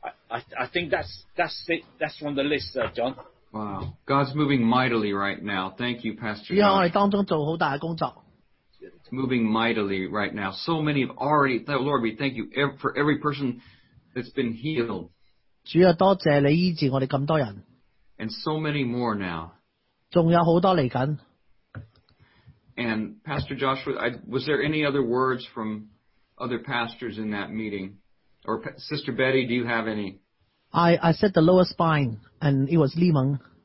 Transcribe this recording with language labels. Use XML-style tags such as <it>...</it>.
<en>I think that's it. That's from the list, John. Wow. God's moving mightily right now. Thank you, Pastor.</en> <yue>要我哋当中做好大嘅工作。</yue> <en>It's moving mightily right now. So many have already. Lord, we thank you for every person that's been healed.</en> <yue>主啊，多谢你医治我哋咁多人。</yue> <en>And so many more now.</en> <yue>仲有好多嚟紧。</yue> <en>And Pastor Joshua, was there any other words from other pastors in that meeting? Or Sister Betty, do you have any? I said the lower spine, and it was Li Meng.</en>